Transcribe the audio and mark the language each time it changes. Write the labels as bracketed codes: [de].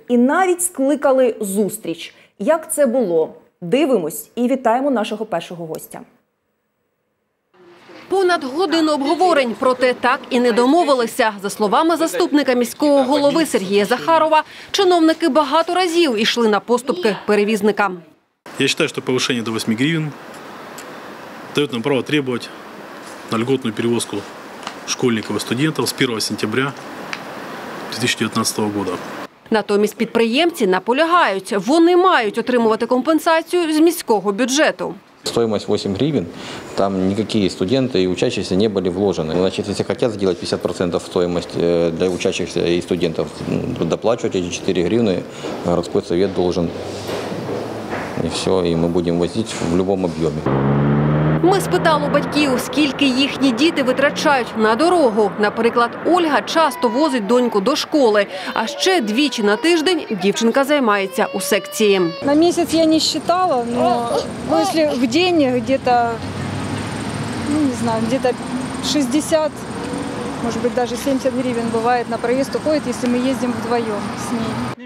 [uk] І навіть скликали зустріч. Як це було? Дивимось і вітаємо нашого першого гостя. Понад годину обговорень, проте так і не домовилися. За словами заступника міського голови Сергія Захарова, чиновники багато разів йшли на поступки перевізникам. [ru] Я считаю, что повышение до 8 гривен дает нам право требовать на льготную перевозку школьников и студентов с 1 сентября 2019 года. [uk] Натомість підприємці наполягають, вони мають отримувати компенсацію з міського бюджету. [ru] Стоимость 8 гривен, там никакие студенты и учащиеся не были вложены. Значит, если хотят сделать 50% стоимость для учащихся и студентов, доплачивать эти 4 гривны, городской совет должен. [uk] І все, і ми будемо возити в будь-якому об'ємі. Ми спитали батьків, скільки їхні діти витрачають на дорогу. Наприклад, Ольга часто возить доньку до школи. А ще двічі на тиждень дівчинка займається у секції. На місяць я не рахувала, але якщо в день где-то, ну, не знаю, где-то 60, може бути, навіть 70 гривень буває на проїзд уходить, якщо ми їздимо вдвоєм з нею.